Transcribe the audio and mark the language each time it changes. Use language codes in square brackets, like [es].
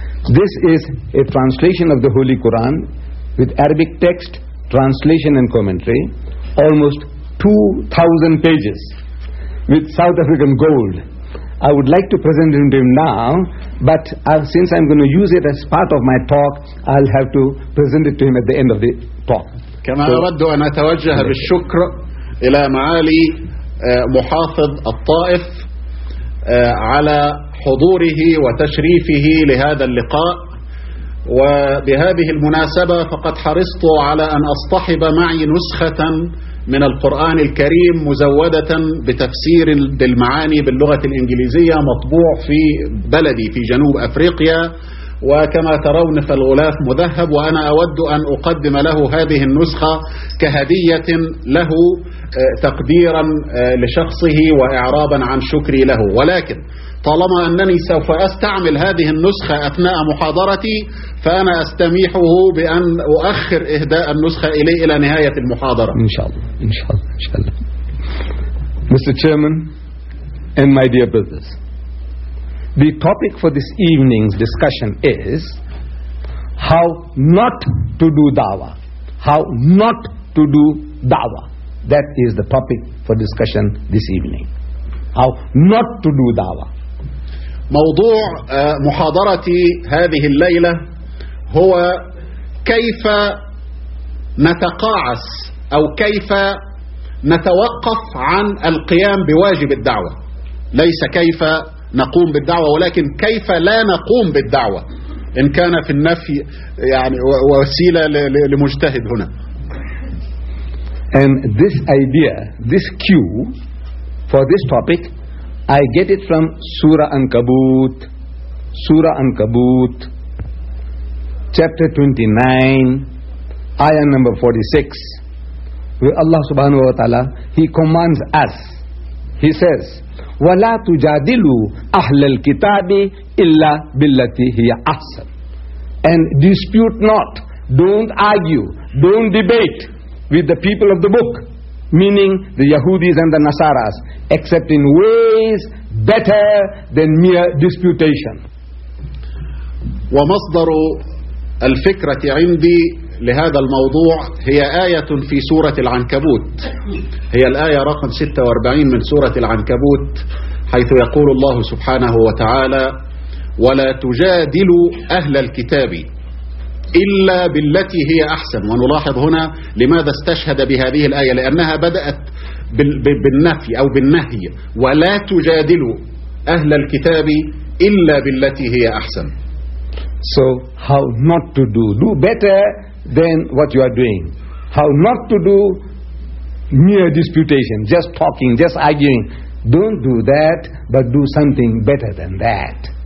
[en] This is a translation of the Holy Quran with Arabic text, translation and commentary, almost 2,000 pages with South African gold. I would like to present it to him now, but since I'm going to use it as part of my talk, I'll have to present it to him at the end of the talk. [ar] كما أود أن أتوجه بالشكر إلى معالي محافظ الطائف على حضوره وتشريفه لهذا اللقاء. وبهذه المناسبة فقد حرصت على أن أصطحب معي نسخة من القرآن الكريم مزودة بتفسير بالمعاني باللغة الإنجليزية مطبوع في بلدي في جنوب أفريقيا، وكما ترون فالغلاف مذهب، وأنا أود أن أقدم له هذه النسخة كهدية له تقديرا لشخصه وإعرابا عن شكري له. ولكن طالما أنني سوف أستعمل هذه النسخة أثناء محاضرتي فأنا أستميحه بأن أؤخر إهداء النسخة إليه إلى نهاية المحاضرة. إن شاء الله إن شاء الله إن شاء الله. [en] Mr. Chairman and my dear brothers, the topic for this evening's discussion is how not to do dawah. How not to do dawah. That is the topic for discussion this evening. How not to do dawah. [ar] موضوع محاضرتي هذه الليلة هو كيف نتقاعس أو كيف نتوقف عن القيام بواجب الدعوة، ليس كيف نقوم بالدعوة ولكن كيف لا نقوم بالدعوة إن كان في النفي يعني وسيلة لمجتهد هنا. [en] And this idea, this cue for this topic, I get it from Surah Ankabut, Surah Ankabut, chapter 29, ayah number 46, where Allah subhanahu wa ta'ala, He commands us, He says, [ar] وَلَا تُجَادِلُوا أَهْلَ الْكِتَابِ إِلَّا بِالَّتِي هِيَ أَحْسَنُ. [en] And dispute not, don't argue, don't debate with the people of the book, meaning the Yahudis and the Nasaras, except in ways better than mere disputation. [ar] ومصدر الفكرة عندي لهذا الموضوع هي آية في سورة العنكبوت، هي الآية رقم 46 من سورة العنكبوت، حيث يقول الله سبحانه وتعالى ولا تجادلوا أهل الكتاب إلا بالتي هي أحسن. ونلاحظ هنا لماذا استشهد بهذه الآية، لأنها بدأت بالنفي أو بالنهي، ولا تجادلوا أهل الكتاب إلا بالتي هي أحسن. [en] So how not to do, do better than what you are doing. How not to do mere disputation, just talking, just arguing. Don't do that, but do something better than that.